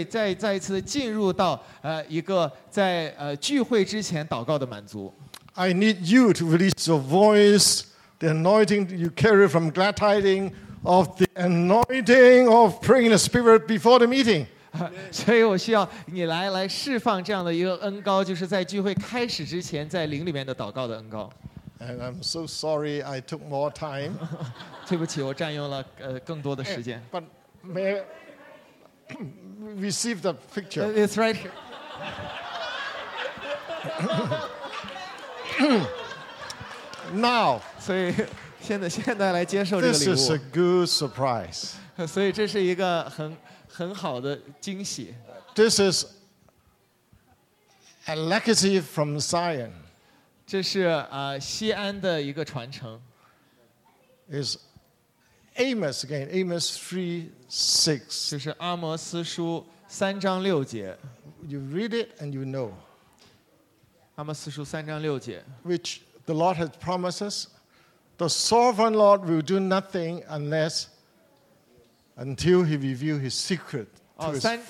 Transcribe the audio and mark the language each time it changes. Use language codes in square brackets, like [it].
[zh] 所以我们就是相信我们会再一次进入到 一个在聚会之前祷告的满足。 [en] I need you to release your voice, the anointing you carry from glad tidings of the anointing of praying the Spirit before the meeting. [zh] 所以我需要你来释放这样的一个恩膏, 就是在聚会开始之前, 在灵里面的祷告的恩膏。 [en] And I'm so sorry I took more time. [zh] 对不起,我占用了更多的时间。 [en] But may I receive the picture? It's right here. Now, [zh] 所以现在来接受这个礼物。 [en] This is a good surprise. [zh] 所以这是一个很好的惊喜。 [en] This is a legacy from Zion. [zh] 这是西安的一个传承。 [en] Is Amos again, Amos 3, 6. [zh] 这是阿摩斯书三章六节。 [en] You read it and you know. [zh] 阿摩斯书三章六节。 [en] Which the Lord has promised us, the sovereign Lord will do nothing unless, until he reveal his secret to his friends.